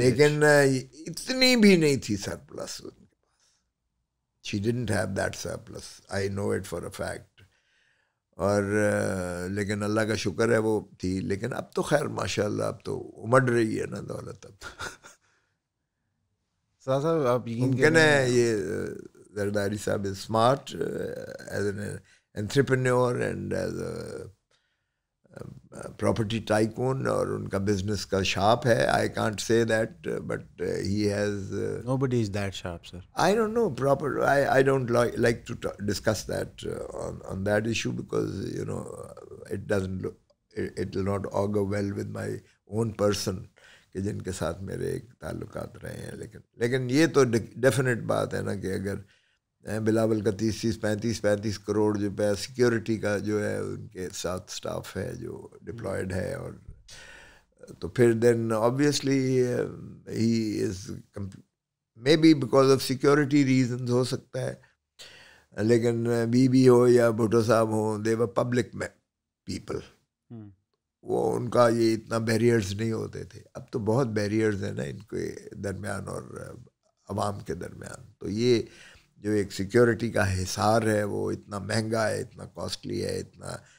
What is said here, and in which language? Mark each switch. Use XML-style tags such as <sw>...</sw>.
<ur>لیکن اتنی بھی نہیں تھی سرپلس ان کے پاس</ur> <en>she didn't have that surplus I know it for a fact</en> <ur>اور لیکن اللہ کا شکر ہے وہ تھی لیکن اب تو خیر ماشاء اللہ اب تو امڑ رہی ہے نا دولت اب صاحب آپ ممکن ہے یہ</ur> <en>Zardari Saab is smart as an entrepreneur and as a property tycoon,</en> <ur>aur unka business ka sharp hai.</ur> <en>I can't say that, but he has... Nobody is that sharp, sir. I don't know. Proper. I don't like to discuss that on that issue because, you know, it doesn't look... It will not augur well with my own person.</en> <ur>کہ جن کے ساتھ میرے ایک تعلقات رہے ہیں لیکن یہ تو ڈیفینیٹ بات ہے نا کہ اگر بلاول کا 30-35 کروڑ جو پہ سیکیورٹی کا جو ہے ان کے ساتھ سٹاف ہے جو ڈپلائڈ ہے اور تو پھر</ur> <en>then obviously he is may be because of security reasons</en> <ur>ہو سکتا ہے لیکن بی بی ہو یا بھٹو صاحب ہوں</ur> <en>they were public people</en> <ur>وہ ان کا یہ اتنا بیریئرز نہیں ہوتے تھے اب تو بہت بیریئرز ہیں نا ان کے درمیان اور عوام کے درمیان تو یہ جو ایک سیکیورٹی کا حصار ہے وہ اتنا مہنگا ہے اتنا کاسٹلی ہے اتنا</ur>